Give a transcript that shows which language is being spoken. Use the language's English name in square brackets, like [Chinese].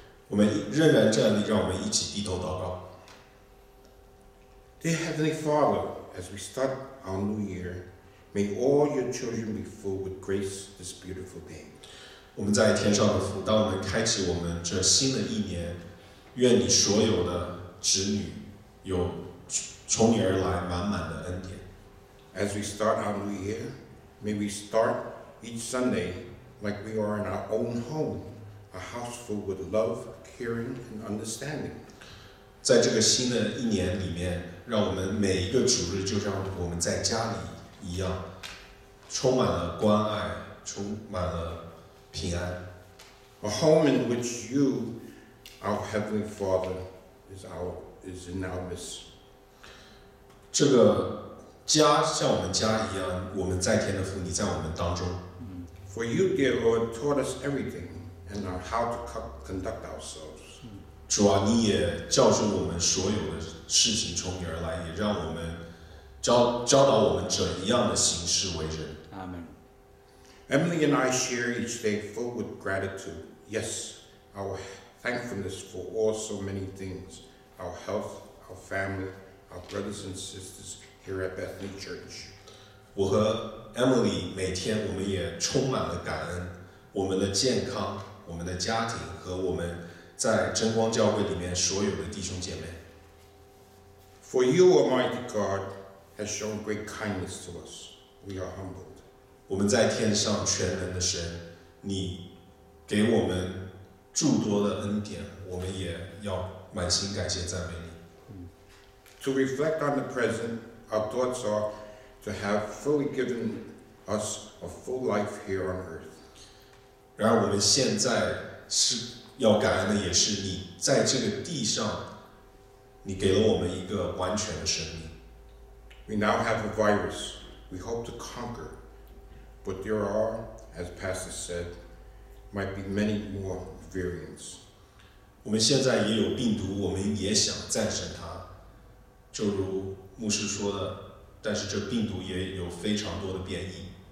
[Chinese] 我们仍然站立，让我们一起低头祷告。 [English] Dear Heavenly Father, as we start our new year, may all your children be filled with grace this beautiful day. [Chinese] 我们在天上的父，当我们开启我们这新的一年，愿你所有的子女有从你而来满满的恩典。 [English] As we start our new year, may we start each Sunday like we are in our own home, a house full with love, caring, and understanding. [Chinese] 在这个新的一年里面，让我们每一个主日就像我们在家里一样，充满了关爱，充满了平安。 [English] A home in which you, our Heavenly Father, is in our midst. [Chinese] 这个家像我们家一样，我们在天的父，你在我们当中。 [English] For you, dear Lord, taught us everything and on how to conduct ourselves. [Chinese] 主啊，你也教训我们所有的事情从你而来，也让我们教导我们怎样的行事为人。 [English] Amen. Emily and I share each day full with gratitude. Yes, our thankfulness for all so many things, our health, our family, our brothers and sisters here at Bethany Church. [Chinese] 我和Emily 每天我们也充满了感恩，我们的健康，我们的家庭和我们在真光教会里面所有的弟兄姐妹。 [English] For you, Almighty God, has shown great kindness to us. We are humbled. [Chinese] 我们在天上全能的神，你给我们诸多的恩典，我们也要满心感谢赞美你。 [English] To reflect on the present, our thoughts are. To have fully given us a full life here on earth. [Chinese] 然而我们现在是要感恩的，也是你在这个地上，你给了我们一个完全的生命。 [English] We now have a virus we hope to conquer, but there are, as Pastor said, might be many more variants. [Chinese] 我们现在也有病毒，我们也想战胜它，就如牧师说的。但是这病毒也有非常多的变异。